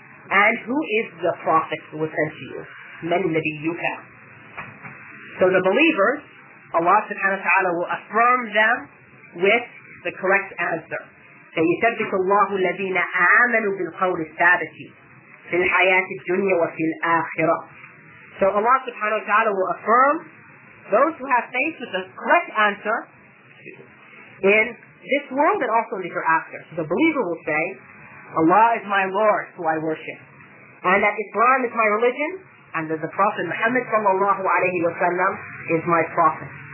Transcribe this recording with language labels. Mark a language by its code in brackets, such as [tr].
[en] And who is the Prophet who was sent to you? [ar] Man nabiyuka. [en] So the believers, Allah subhanahu wa ta'ala will affirm them with the correct answer. [ar] فَيُثَبِّتُ اللَّهُ الَّذِينَ آمَنُوا بِالْقَوْلِ الثَّابِتِ في الحياة الدنيا وفي الآخرة. [en] So Allah subhanahu wa ta'ala will affirm those who have faith with the correct answer in this world and also in the hereafter. So the believer will say, Allah is my Lord who I worship, and that Islam is my religion, and that the Prophet Muhammad sallallahu alayhi wa sallam is my prophet.